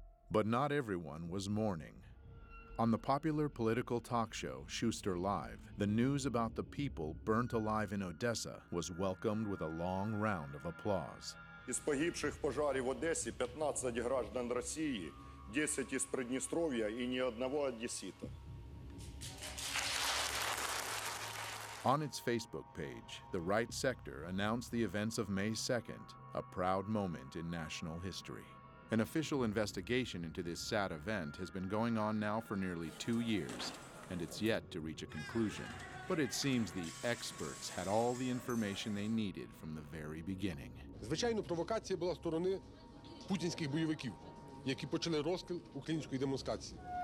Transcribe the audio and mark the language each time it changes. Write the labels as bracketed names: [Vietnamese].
[English] But not everyone was mourning. On the popular political talk show, Schuster Live, the news about the people burnt alive in Odessa was welcomed with a long round of applause. [Ukrainian] Із погибших пожарів в Одесі 15 граждан Росії, 10 із Придністров'я і ні одного одесита. [English] On its Facebook page, the right sector announced the events of May 2nd, a proud moment in national history. An official investigation into this sad event has been going on now for nearly 2 years, and it's yet to reach a conclusion. But it seems the experts had all the information they needed from the very beginning. [Ukrainian] Звичайно, провокація була сторони путінських бойовиків, які почали розстріл української демонстрації.